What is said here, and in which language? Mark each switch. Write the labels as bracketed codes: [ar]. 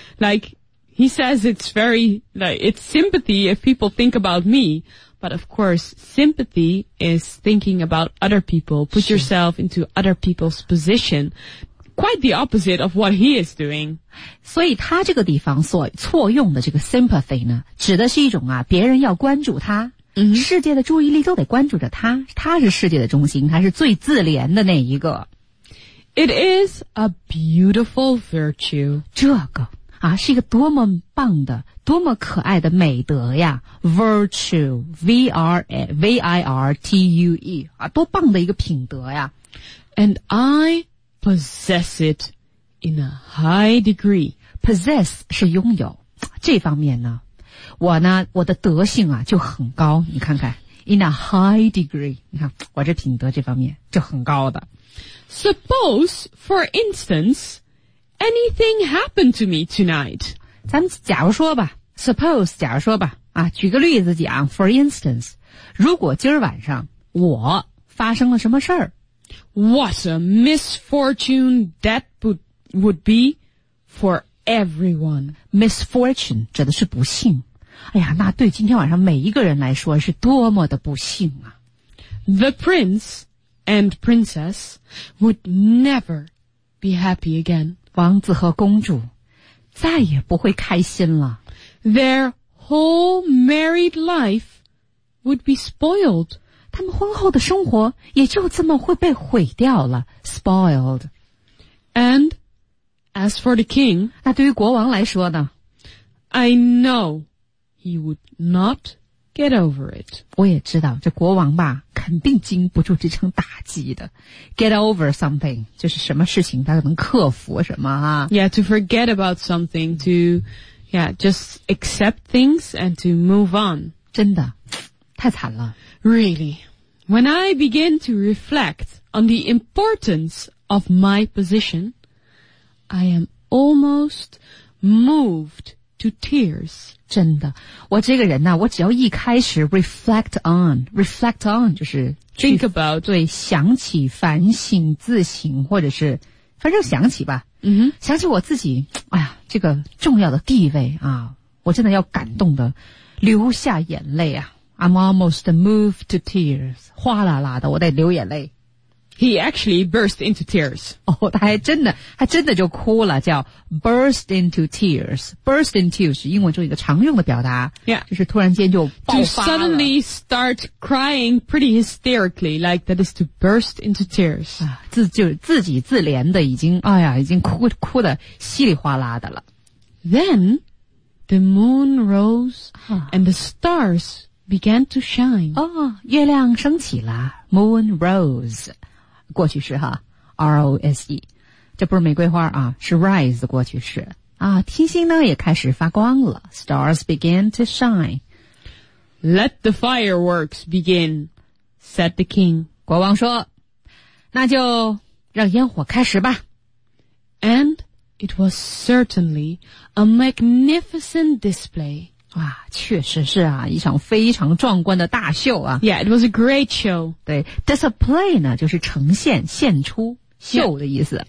[en] Like, he says it's very, like, it's sympathy if people think about me. But of course, sympathy is thinking about other people, put yourself into other people's position. Quite the opposite of what he is doing. [zh] 所以他这个地方所错用的这个 sympathy 呢，指的是一种啊，别人要关注他、 mm-hmm. 世界的注意力都得关注着他，他是世界的中心，他是最自怜的那一个。 [en] It is a beautiful virtue. [zh] 这个啊，是一个多么棒的多么可爱的美德呀 Virtue V-I-R-T-U-E 啊，多棒的一个品德呀 [en] And I possess it in a high degree [zh] Possess 是拥有这方面呢我呢我的德性啊就很高你看看 [en] In a high degree [zh] 你看我这品德这方面就很高的 [en] Suppose for instanceAnything happened to me tonight? [zh] 咱们假如说吧 ,suppose, 假如说吧啊举个例子讲 , [en] for instance, [zh] 如果今儿晚上我发生了什么事儿 [en] ,what a misfortune that would be for everyone. [zh] Misfortune, 指的是不幸。哎呀那对今天晚上每一个人来说是多么的不幸啊。 [en] The prince and princess would never be happy again. [zh] 王子和公主再也不会开心了。 [en] Their whole married life would be spoiled. [zh] 他们婚后的生活也就这么会被毁掉了 ,spoiled. [en] And as for the king, [zh] 那对于国王来说呢 [en] ?I know he would not get over it. [zh] 我也知道这国王吧肯定经不住这场打击的 [en] get over something [zh] 就是什么事情他能克服什么啊 [en] yeah to forget about something to yeah just accept things and to move on [zh] 真的太惨了 [en] really when I begin to reflect on the importance of my position I am almost movedto tears. [zh] 真的我这个人呢、啊、我只要一开始 reflect on 就是 [en] think about [zh] 对想起反省自省或者是反正想起吧、 mm-hmm. 想起我自己哎呀这个重要的地位啊我真的要感动的流下眼泪啊 [en] I'm almost moved to tears [zh] 哗啦啦的我得流眼泪 [en] He actually burst into tears. [zh] 哦他还真的他真的就哭了叫 [en] burst into tears. [zh] Burst into 是英文中一个常用的表达。 [en] Yeah. [zh] 就是突然间就爆发了。 [en] To suddenly start crying pretty hysterically, like that is to burst into tears. [zh] 啊自就自己自怜的已经哎呀已经哭得稀里哗啦的了。 [en] Then, the moon rose, and the stars began to shine. [zh] 哦月亮升起了。 Moon Rose， 过去式哈 ，R-O-S-E， 这不是玫瑰花啊，是 Rise 的过去式啊。天星呢也开始发光了 ， [en] Stars begin to shine。 Let the fireworks begin， said the king， [zh] 国王说，那就让烟火开始吧。 [en] And it was certainly a magnificent display。 [zh] 哇，确实是啊，一场非常壮观的大秀啊。 [en] Yeah, it was a great show. [zh] 对 ,display 呢就是呈现现出秀的意思。